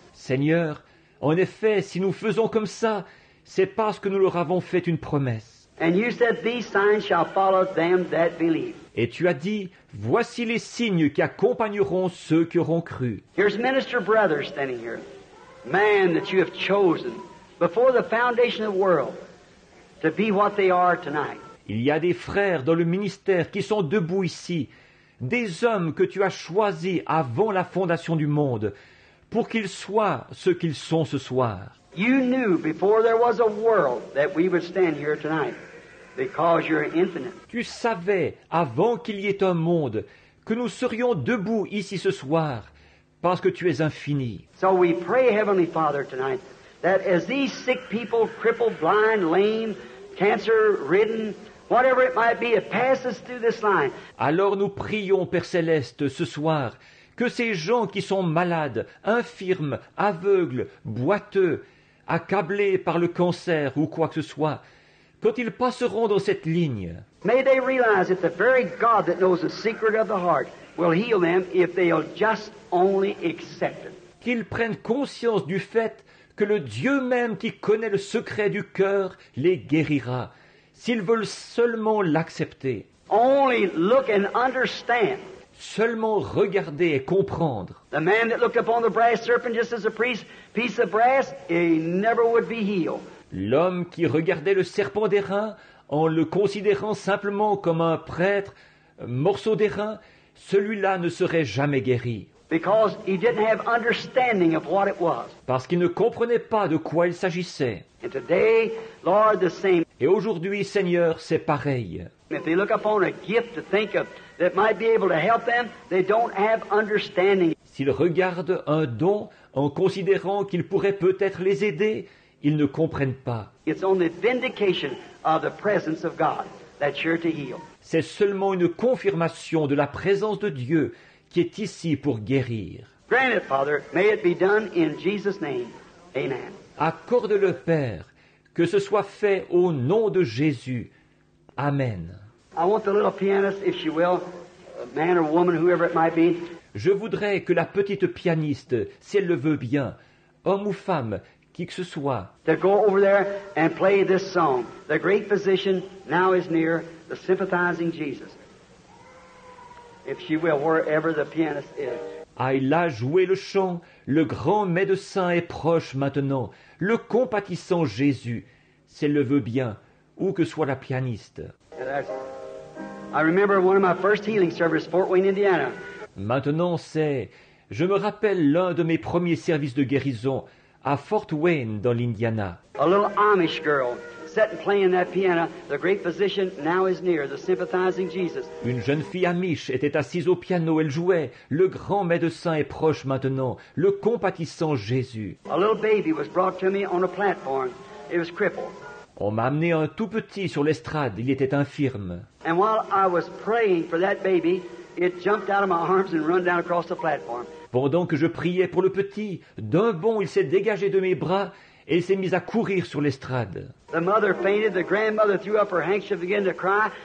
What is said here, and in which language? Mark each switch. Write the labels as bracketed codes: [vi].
[fr] Seigneur, en effet, si nous faisons comme ça, c'est parce que nous leur avons fait une promesse. [en] And you said, these signs shall follow them that believe. [fr] Et tu as dit, voici les signes qui accompagneront ceux qui auront cru. [en] Here's Minister Brother standing here, man that you have chosen before the foundation of the world to be what they are tonight. [fr] Il y a des frères dans le ministère qui sont debout ici, des hommes que tu as choisis avant la fondation du monde pour qu'ils soient ce qu'ils sont ce soir. [en] You knew before there was a world that we would stand here tonight because you're infinite. [fr] Tu savais avant qu'il y ait un monde que nous serions debout ici ce soir parce que tu es infini. [en] So we pray, Heavenly Father, tonight that as these sick people, crippled, blind, lame, cancer-ridden, whatever it might be, it passes through this line. [fr] Alors nous prions, Père Céleste, ce soir, que ces gens qui sont malades, infirmes, aveugles, boiteux, accablés par le cancer ou quoi que ce soit, quand ils passeront dans cette ligne, [en] may they realize that the very God that knows the secret of the heart will heal them if they'll just only accept it. [fr] Qu'ils prennent conscience du fait que le Dieu même qui connaît le secret du cœur les guérira, s'ils veulent seulement l'accepter. [en] Only look and understand. [fr] Seulement regarder et comprendre. [en] The man that looked upon the brass serpent just as a piece of brass, he never would be healed. [fr] L'homme qui regardait le serpent d'airain en le considérant simplement comme un prêtre, morceau d'airain, celui-là ne serait jamais guéri. [en] Because he didn't have understanding of what it was. [fr] Parce qu'il ne comprenait pas de quoi il s'agissait. [en] And today, Lord, the same. [fr] Et aujourd'hui, Seigneur, c'est pareil. [en] If they look upon a gift to think of that might be able to help them, they don't have understanding. [fr] S'ils regardent un don en considérant qu'il pourrait peut-être les aider, ils ne comprennent pas. [en] It's only vindication of the presence of God that's here to heal. [fr] C'est seulement une confirmation de la présence de Dieu qui est ici pour guérir. [en] Grant it, Father, may it be done in Jesus' name. Amen. [fr] Accorde-le, Père, que ce soit fait au nom de Jésus. Amen. [en] I want the little pianist, if she will, man or woman, whoever it might be. [fr] Je voudrais que la petite pianiste, si elle le veut bien, homme ou femme, qui que ce soit, [en] to go over there and play this song. The great physician now is near, the sympathizing Jesus. If she will, wherever the pianist is. [fr] Aille là jouer le chant. Le grand médecin est proche maintenant. Le compatissant Jésus, si elle le veut bien, où que soit la pianiste. [en] I remember one of my first healing services, Fort Wayne, Indiana. [fr] Maintenant, c'est... Je me rappelle l'un de mes premiers services de guérison à Fort Wayne, dans l'Indiana. [en] A little Amish girl sat and playing that piano. The great physician now is near, the sympathizing Jesus. [fr] Une jeune fille Amish était assise au piano. Elle jouait. Le grand médecin est proche maintenant. Le compatissant Jésus. [en] A little baby was brought to me on a platform. It was crippled. [fr] On m'a amené un tout petit sur l'estrade. Il était infirme. [en] And while I was praying for that baby, it jumped out of my arms and run down across the platform. [fr] Pendant que je priais pour le petit, d'un bond, il s'est dégagé de mes bras et il s'est mis à courir sur l'estrade. [en] The mother fainted. The grandmother threw up her handkerchief and began to cry.